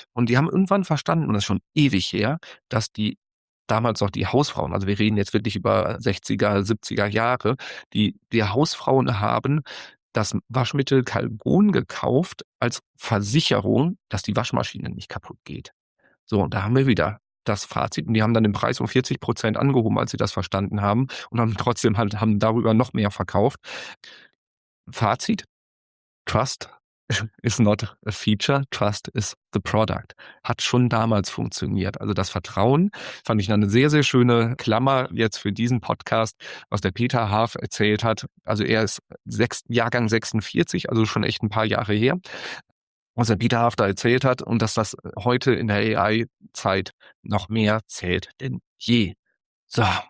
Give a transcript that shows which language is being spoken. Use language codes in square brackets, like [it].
[de] Und die haben irgendwann verstanden, und das ist schon ewig her, dass die damals noch die Hausfrauen, also wir reden jetzt wirklich über 60er, 70er Jahre, die Hausfrauen haben das Waschmittel Calgon gekauft als Versicherung, dass die Waschmaschine nicht kaputt geht. So, und da haben wir wieder das Fazit. Und die haben dann den Preis um 40% angehoben, als sie das verstanden haben. Und haben trotzdem halt, haben darüber noch mehr verkauft. [en] Fazit, Trust is not a feature, Trust is the product. [de] Hat schon damals funktioniert. Also das Vertrauen fand ich eine sehr, sehr schöne Klammer jetzt für diesen Podcast, was der Peter Haaf erzählt hat. Also er ist Jahrgang 46, also schon echt ein paar Jahre her, was der Peter Haaf da erzählt hat und dass das heute in der AI-Zeit noch mehr zählt denn je. So.